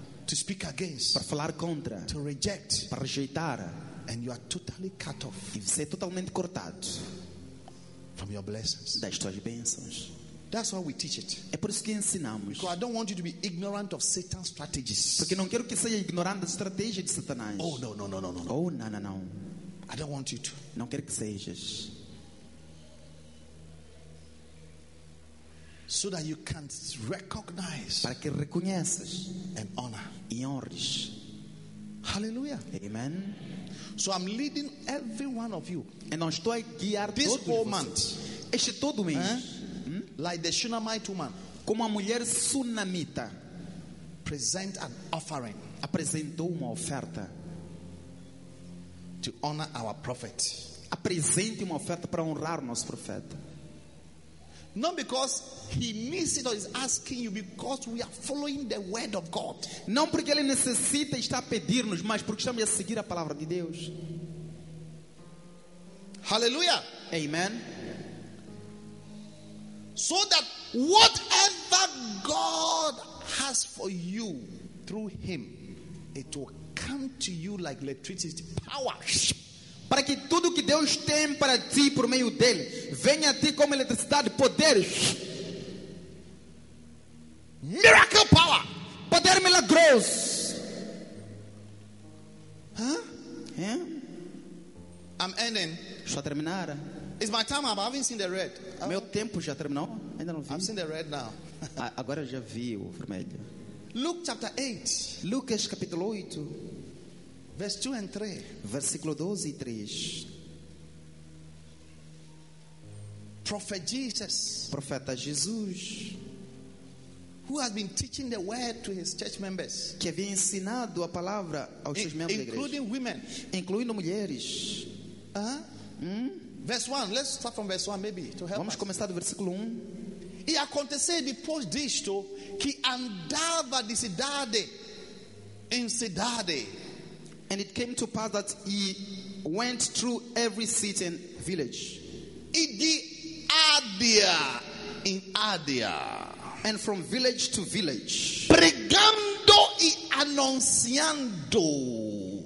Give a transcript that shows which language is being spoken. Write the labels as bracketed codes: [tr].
[en] To speak against. [pt] Para falar contra. [en] To reject. [pt] Para rejeitar. [en] And you are totally cut off. [pt] E você é totalmente cortado. [en] From your blessings. [pt] Das tuas bênçãos. [en] That's why we teach it. [pt] É por isso que ensinamos. [en] Because I don't want you to be ignorant of Satan's strategies. [pt] Porque não quero que seja ignorante da estratégia de Satanás. [en] Oh no, no, no, no, no. [pt] Oh, não, não, não. [en] I don't want you to. [pt] Não quero que sejas. [en] So that you can recognize. [pt] Para que reconheças. [en] And honor. [pt] E honres. Hallelujah. Amen. [en] So I'm leading every one of you. [pt] And não estou a guiar [en] this whole month. [pt] Este todo mês. Eh? [en] Like the Shunammite woman, [pt] como a mulher sunamita, [en] present an offering, [pt] apresentou uma oferta [en] to honor our prophet. [pt] Apresente uma oferta para honrar o nosso profeta. [en] Not because he needs it or is asking you, because we are following the word of God. [pt] Não porque ele necessita e está a pedir-nos, mas porque estamos a seguir a palavra de Deus. Hallelujah. Amen. [en] So that whatever God has for you through him, it will come to you like electricity, power. [pt] Para que tudo que Deus tem para ti por meio dele venha a ti como eletricidade, poder. [en] Miracle power. [pt] Poder milagroso. Huh? Yeah. [en] I'm ending. [pt] Só terminar. [en] It's my time up. I haven't seen the red. [pt] Meu tempo já terminou? Ainda não vi. [en] I've seen the red now. [pt] Agora já vi o vermelho. [en] Luke chapter 8. [pt] Lucas capítulo 8. [en] Verse 2 and 3. [pt] Versículo 12 e 3. [en] Prophet Jesus. [pt] Profeta Jesus. [en] Who has been teaching the word to his church members? [pt] Que havia ensinado a palavra aos seus membros da igreja. [en] Including women. [pt] Incluindo mulheres. [en] Verse 1, let's start from verse 1 maybe to help. [pt] Vamos começar do versículo 1. E aconteceu depois disto que andava de cidade em cidade. [en] And it came to pass that he went through every city and village. [pt] E de Ádia em Ádia. [en] And from village to village. [pt] Pregando e anunciando.